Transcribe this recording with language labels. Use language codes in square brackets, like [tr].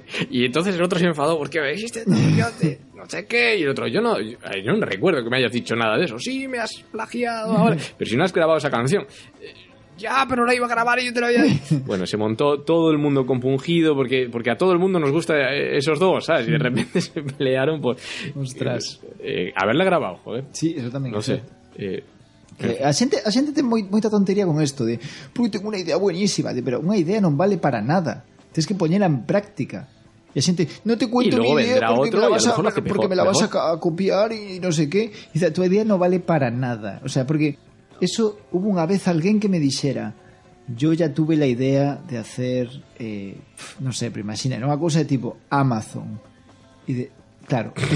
[es] Y entonces el otro se enfadó porque me dijiste, no sé qué, y el otro, yo no recuerdo que me hayas dicho nada de eso. Sí, me has plagiado ahora, pero si no has grabado esa canción... Ya, pero la iba a grabar y yo te la había... Bueno, se montó todo el mundo compungido porque a todo el mundo nos gusta esos dos, ¿sabes? Y de repente se pelearon por... Ostras. Haberla grabado, joder. Sí, eso también. No sé. [gl] A xente ten moita tontería con esto de... [es] Porque tengo una idea buenísima, pero una idea no vale para nada. Tienes que ponerla en práctica. Y la gente, no te cuento mi idea porque me la vas a copiar y no sé qué. Y dice, tu idea no vale para nada. O sea, porque... Eso hubo una vez alguien que me dijera, yo ya tuve la idea de hacer, no sé, pero imagina, una cosa de tipo Amazon. Y de, claro,